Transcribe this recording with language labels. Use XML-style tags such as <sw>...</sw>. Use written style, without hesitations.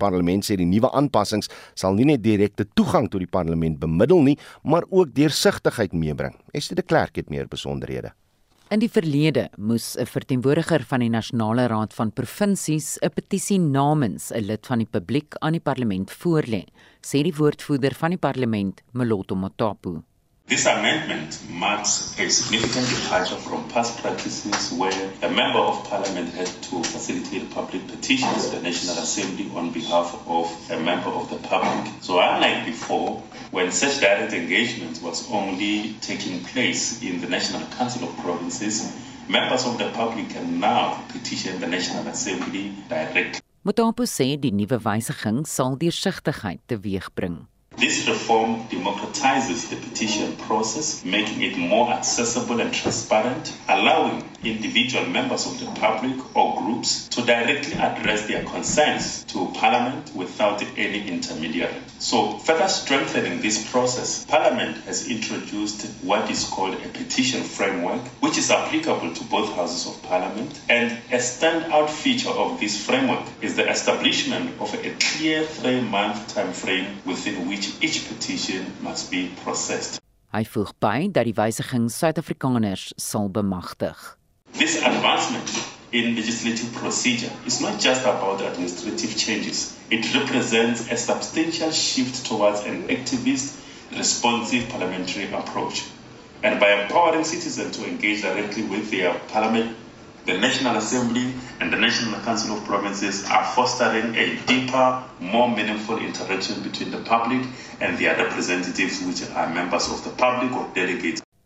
<af>Die parlement sê die nuwe aanpassings sal nie net direkte toegang tot die parlement bemiddel nie, maar ook deursigtigheid meebring. Esther de Klerk het meer besonderhede. In die verlede moes 'n verteenwoordiger van die Nasionale Raad van Provinsies 'n petisie namens 'n lid van die publiek aan die parlement voorlê, sê die woordvoerder van die parlement, Moloto Motapu.</af> <en>This amendment marks a significant departure from past practices where a member of parliament had to facilitate public petitions to the National Assembly on behalf of a member of the public. So unlike before, when such direct engagement was only taking place in the National Council of Provinces, members of the public can now petition the National Assembly directly.</en> <af>Motapu sê die nuwe wysiging sal deursigtigheid teweegbring.</af> <en>This reform democratizes the petition process, making it more accessible and transparent, allowing individual members of the public or groups to directly address their concerns to Parliament without any intermediary. So, further strengthening this process, Parliament has introduced what is called a petition framework, which is applicable to both Houses of Parliament. And a standout feature of this framework is the establishment of a clear 3-month time frame within which each petition must be processed.</en> <af>Hy voeg by dat die wysiging Suid-Afrikaners sal bemagtig.</af> <en>This advancement in legislative procedure is not just about administrative changes. It represents a substantial shift towards an activist, responsive parliamentary approach. And by empowering citizens to engage directly with their parliament, the National Assembly and the National Council of Provinces are fostering a deeper, more meaningful interaction between the public and their representatives, which are members of the public or delegates.</en>